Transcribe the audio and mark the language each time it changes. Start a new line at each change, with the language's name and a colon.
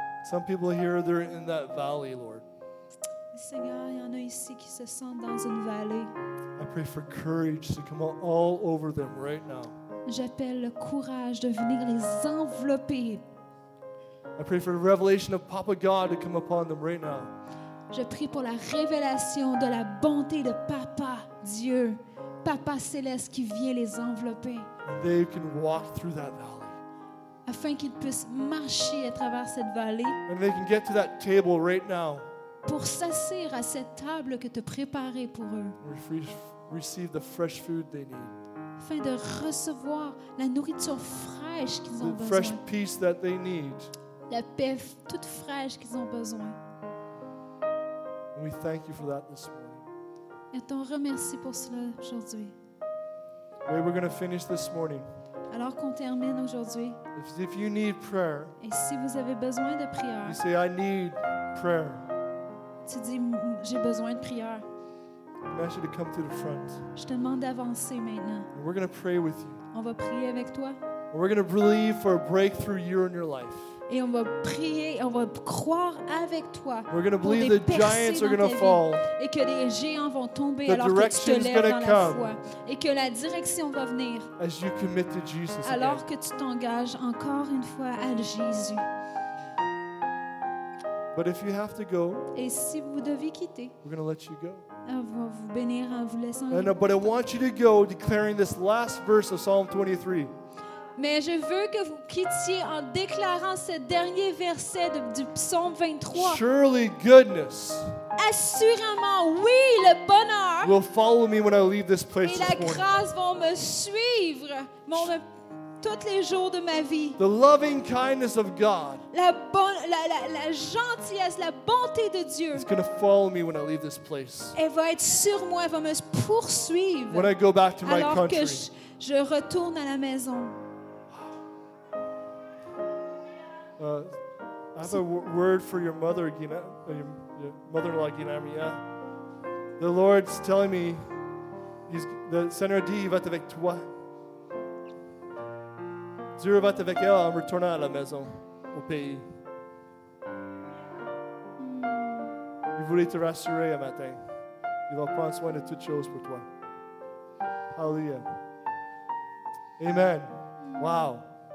English: Some people here, they're in that valley, Lord.
French: Seigneur, il y en a ici qui se sentent dans une vallée.
English: I pray for courage to come all over them right now.
French: J'appelle le courage de venir les envelopper.
English: I pray for the revelation of Papa God to come upon them right now.
French: Je prie pour la révélation de la bonté de Papa Dieu, Papa Céleste qui vient les envelopper.
English: They can walk through that valley.
French: Afin qu'ils puissent marcher à travers cette vallée.
English: And they can get to that table right now.
French: Pour s'asseoir à cette table que tu as préparée pour eux.
English: Receive the fresh food they need.
French: Afin de recevoir la nourriture fraîche qu'ils ont besoin.
English: Fresh peace that they need.
French: La paix toute fraîche qu'ils ont besoin.
English: We thank you for that this morning.
French: Et on remercie pour cela aujourd'hui.
English: We're going to finish this morning.
French: Alors qu'on termine aujourd'hui.
English: If you need prayer.
French: Et si vous avez besoin de prière.
English: You say I need prayer.
French: Tu dis j'ai besoin de prière.
English: I ask you to come to the front.
French: Je te demande d'avancer maintenant.
English: And we're going to pray with you.
French: On va prier avec toi.
English: And we're going to believe for a breakthrough year in your life.
French: Et on va prier, on va croire avec toi.
English: We're going to believe the giants are going to fall.
French: Et que les géants vont tomber alors que tu te lèves dans la foi. Et que la direction va venir.
English: As you commit to Jesus
French: alors que tu t'engages encore une fois à Jésus.
English: But if you have to go,
French: et si vous devez quitter,
English: we're going to let you go.
French: On va vous bénir en vous laissant.
English: And, but I want you to go declaring this last verse of Psalm 23.
French: Mais je veux que vous quittiez en déclarant ce dernier verset du psaume 23.
English: Surely goodness.
French: Assurément, oui, le bonheur.
English: Will follow me when I leave this place.
French: Et la grâce vont me suivre tous les jours de ma vie.
English: The loving kindness of God.
French: La gentillesse, la bonté de Dieu.
English: It's going to follow me when I leave this place.
French: Elle va être sur moi, elle va me poursuivre.
English: When I go back to my country.
French: Alors que je retourne à la maison.
English: I have a word for your mother, Gina, your mother-in-law, Gina. Yeah. The Lord's telling me, he's, the
French: Seigneur dit, il va être avec toi. Dieu va être avec elle en retournant à la maison, au pays. Il voulait te rassurer un matin. Il va prendre soin de toutes choses pour toi. Hallelujah. Amen. Wow.